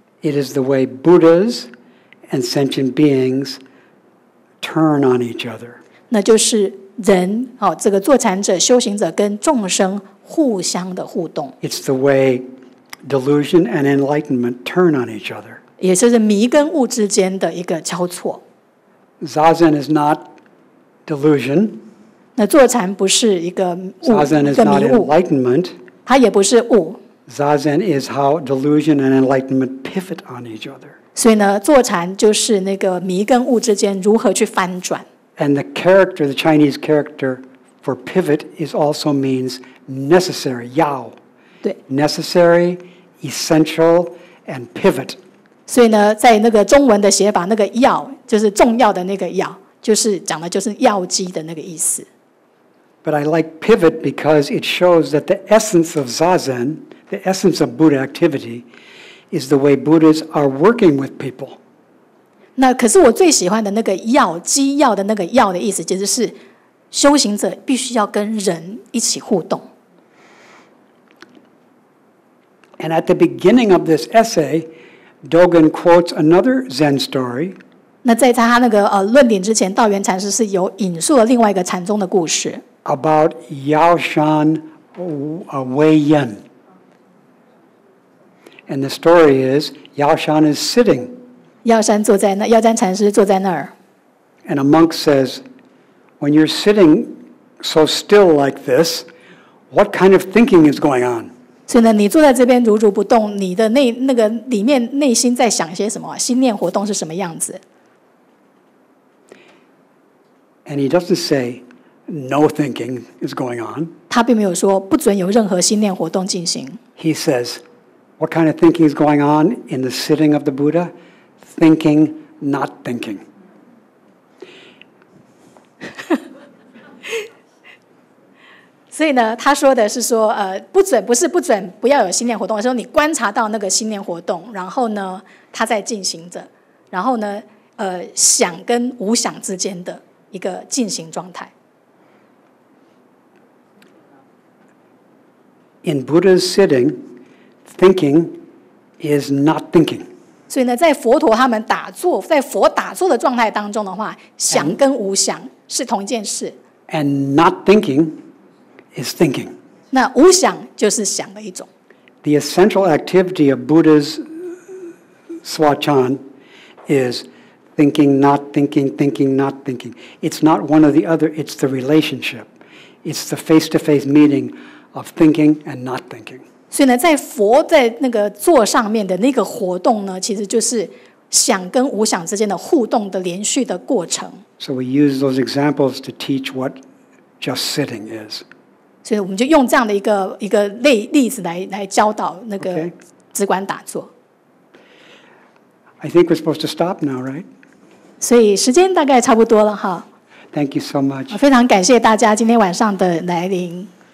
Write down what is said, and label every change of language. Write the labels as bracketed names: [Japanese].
[English] It is the way Buddhas and sentient beings turn on each other. [Chinese] 那就是人哦，这个坐禅者、修行者跟众生互相的互动。 [English] It's the way delusion and enlightenment turn on each other. [Chinese] 也就是迷跟悟之间的一个交错。 [English] Zazen is not delusion. [Chinese] 那坐禅不是一个悟，一个迷悟。 [English] Zazen is not enlightenment. [Chinese] 它也不是悟。 [English] Zazen is how delusion and enlightenment pivot on each other. [Chinese] 所以呢，坐禅就是那个迷跟悟之间如何去翻转。 [English] And the character, the Chinese character for pivot is also means necessary, yao. [Chinese] 对。 [English] Necessary, essential, and pivot. [Chinese] 所以呢，在那个中文的写法，那个要，就是重要的那个要，就是讲的就是要机的那个意思。 [English] But I like pivot because it shows that the essence of Zazen, the essence of Buddha activity, is the way Buddhas are working with people. [Chinese] 那可是我最喜欢的那个药，基药的那个药的意思，其实是修行者必须要跟人一起互动。 [English] And at the beginning of this essay, Dogen quotes another Zen story. [Chinese] 那在他那个论点之前，道元禅师是有引述了另外一个禅宗的故事。 [English] About Yao Shan Wei Yan. And the story is, Yao Shan is sitting. [Chinese] 耀山坐在那，耀山禅师坐在那儿。 [English] And a monk says, when you're sitting so still like this, what kind of thinking is going on? [Chinese] 所以呢，你坐在这边如如不动，你的内那个里面内心在想些什么？心念活动是什么样子？ [English] And he doesn't say, no thinking is going on. [Chinese] 他并没有说不准有任何心念活动进行。 [English] He says, what kind of thinking is going on in the sitting of the Buddha? Thinking, not thinking. [Chinese] 所以呢，他说的是说，不准，不是不准，不要有心念活动，而是说你观察到那个心念活动，然后呢，它在进行着，然后呢，想跟无想之间的一个进行状态。 [English] In Buddha's sitting, thinking is not thinking. [Chinese] 所以呢，在佛陀他们打坐，在佛打坐的状态当中的话，想跟无想是同一件事。 [English] And not thinking is thinking. [Chinese] 那无想就是想的一种。 [English] The essential activity of Buddha's Swachan is thinking, not thinking, thinking, not thinking. It's not one or the other. It's the relationship. It's the face-to-face meeting of thinking and not thinking. [Chinese] 所以呢，在佛在那个座上面的那个活动呢，其实就是想跟无想之间的互动的连续的过程。 [English] So we use those examples to teach what just sitting is. [Chinese] 所以我们就用这样的一个例子来教导那个止观打坐。 [English] Okay. I think we're supposed to stop now, right? [Chinese] 所以时间大概差不多了哈。 [English] Thank you so much. [Chinese] 非常感谢大家今天晚上的来临。